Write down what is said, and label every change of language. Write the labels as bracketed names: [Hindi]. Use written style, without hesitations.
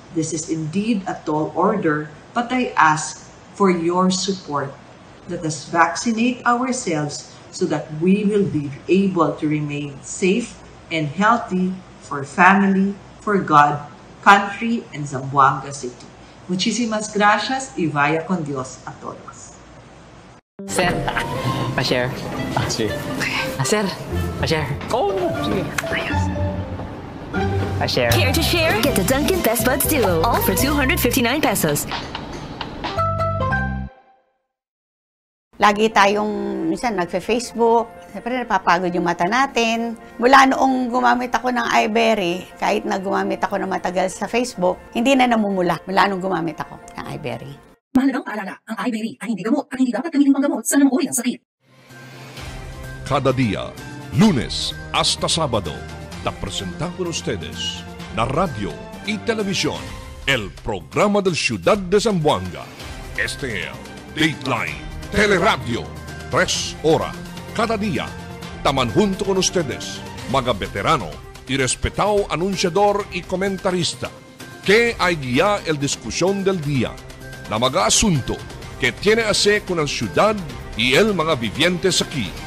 [English] This is indeed a tall order, but I ask for your support. Let us vaccinate ourselves so that we will be able to remain safe and healthy for family, for God, country, and Zamboanga City. [Spanish] Muchísimas gracias y vaya con Dios a todos. [Filipino] Sir, pa-share. Sí. Okay. Sir, pa-share. Oh, no. Sí. Pa-share. [English] Care to share? Get the Dunkin' Best Buds Duo, all for 259 pesos. [Filipino] Lagi tayong minsan nagfe-Facebook, siyempre napapagod yung mata natin. Mula noong gumamit ako ng iBerry, kahit na gumamit ako ng matagal sa Facebook, hindi na namumula mula noong gumamit ako ng iBerry. Mahalagang paalala, ang iBerry ay hindi gamot at hindi dapat gamitin panggamot sa namuhoy ang sakit. [Chavacano] Kada dia, Lunes hasta Sabado, napresentan con ustedes na radio y televisión el programa del Ciudad de Zamboanga. Este es Dateline Teleradio, 3 horas, cada día, taman junto con ustedes, mga veterano y respetado anunciador y comentarista, que hay guía el discusión del día, la mga asunto que tiene a ser con el ciudad y el mga vivientes aquí.